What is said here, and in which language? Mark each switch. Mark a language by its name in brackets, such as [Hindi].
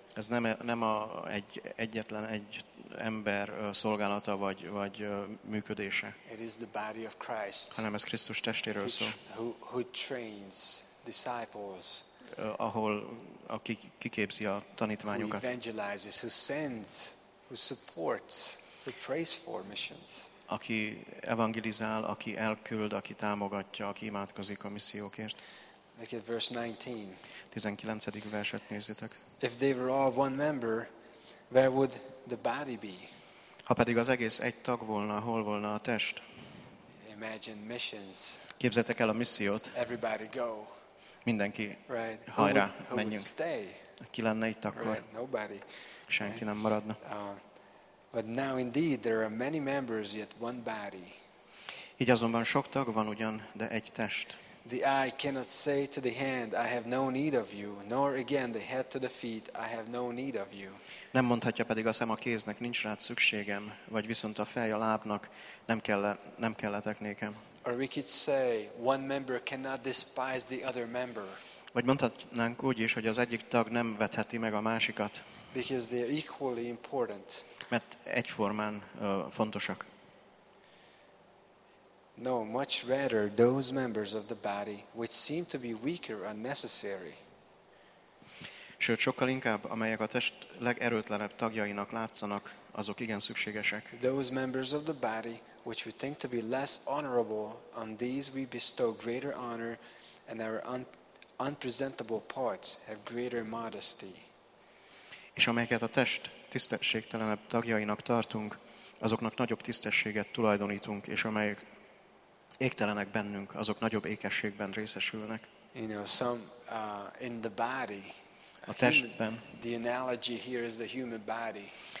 [Hungarian] Ez nem a egyetlen egy ember szolgálata vagy működése. [English] It is the body of Christ. [Hungarian] Hanem ez Krisztus testéről szó. [English] Who trains disciples. [Hungarian] Ahol aki kiképzi a tanítványokat. [English] Who evangelizes, who sends, who supports, who prays for missions. [Hungarian] Aki evangelizál, aki elküld, aki támogatja, aki imádkozik a missziókért. [English] Look at verse 19. [Hungarian] 19. verset nézzétek. [English] If they were all one member, where would the body be? [Hungarian] Ha pedig az egész egy tag volna, hol volna a test? [English] Imagine missions. [Hungarian] Képzeljétek el a missziót. [English] Everybody go. [Hungarian] Mindenki. [English] Right. [Hungarian] Hajrá, [English] who would [Hungarian] menjünk. [English] Stay? [Hungarian] Ki lenne itt akkor? [English] Right. Nobody. [Hungarian] senki nem maradna. [English] But now indeed there are many members yet one body. [Hungarian] Így azonban sok tag van ugyan, de egy test. [English] The eye cannot say to the hand, I have no need of you, nor again the head to the feet, I have no need of you. [Hungarian] Nem mondhatja pedig a szem a kéznek, nincs rád szükségem, vagy viszont a fej a lábnak, nem kelletek nékem. [English] Or we could say, one member cannot despise the other member. [Hungarian] Vagy mondhatnánk úgy is, hogy az egyik tag nem vetheti meg a másikat. [English] Because they are equally important. [Hungarian] Mert egyformán fontosak. [English] No, much rather those members of the body which seem to be weaker are necessary. [Hungarian] Sőt, sokkal inkább, amelyek a test legerőtlenebb tagjainak látszanak, azok igen szükségesek. [English] Those members of the body which we think to be less honorable, on these we bestow greater honor, and our unpresentable parts have greater modesty. [Hungarian] És amelyeket a test tisztességtelenebb tagjainak tartunk, azoknak nagyobb tisztességet tulajdonítunk, és amelyek égtelenek bennünk, azok nagyobb ékességben részesülnek. [English] You know, some in the body. [Hungarian] A testben. [English] The analogy here is the human body.